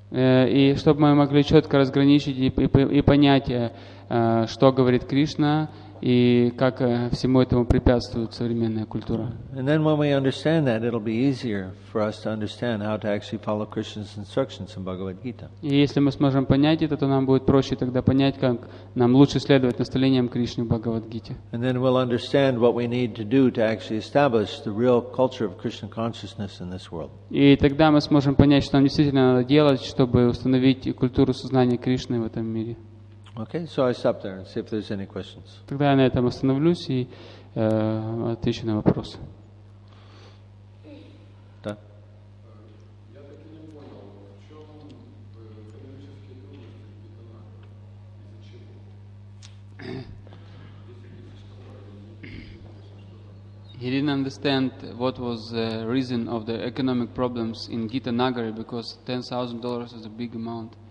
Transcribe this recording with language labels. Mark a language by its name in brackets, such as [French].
[Russian] И чтобы мы могли четко разграничить и понять, что говорит Кришна и как всему этому препятствует современная культура. [English] And then when we understand that, it'll be easier for us to understand how to actually follow Krishna's instructions in Bhagavad Gita. [Russian] И если мы сможем понять это, то нам будет проще тогда понять, как нам лучше следовать наставлениям Кришны в Бхагавад Гите. [English] And then we'll understand what we need to do to actually establish the real culture of Krishna consciousness in this world. [Russian] И тогда мы сможем понять, что нам действительно надо делать, чтобы установить культуру сознания Кришны в этом мире. [English] Okay, so I stop there and see if there's any questions. [Russian] Тогда я на этом остановлюсь и отвечу на вопросы. Да. Я так и не понял, в чем экономические трудности питана и зачем? [English] He didn't understand what was the reason of the economic problems in Gita Nagari because $10,000 is a big amount.